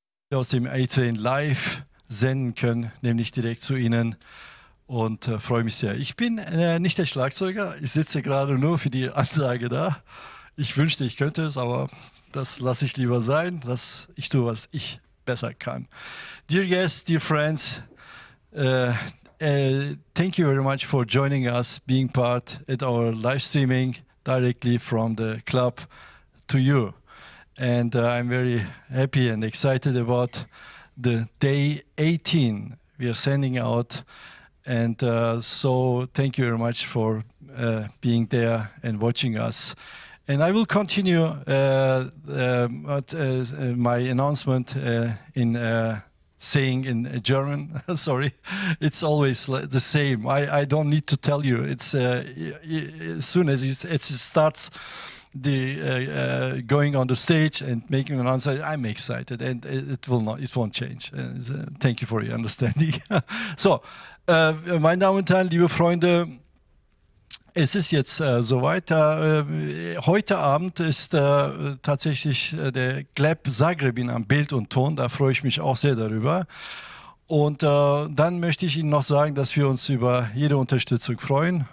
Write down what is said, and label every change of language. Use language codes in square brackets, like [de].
[de] aus dem A-Trane live senden können, nämlich direkt zu Ihnen. Und freue mich sehr. Ich bin nicht der Schlagzeuger, ich sitze gerade nur für die Ansage da. Ich wünschte, ich könnte es, aber das lasse ich lieber sein. Dass ich tue, was ich besser kann. [en] Dear guests, dear friends, thank you very much for joining us, being part at our live streaming directly from the club to you. And I'm very happy and excited about the day 18 we are sending out. And so thank you very much for being there and watching us. And I will continue my announcement in saying in German. Sorry, it's always the same. I don't need to tell you. It's as soon as it starts the going on the stage and making an answer, I'm excited, and it won't change. Thank you for your understanding. [de] So, meine Damen und Herren, liebe Freunde, es ist jetzt soweit. Heute Abend ist tatsächlich der Gleb Zagrebin am Bild und Ton. Da freue ich mich auch sehr darüber. Und dann möchte ich Ihnen noch sagen, dass wir uns über jede Unterstützung freuen.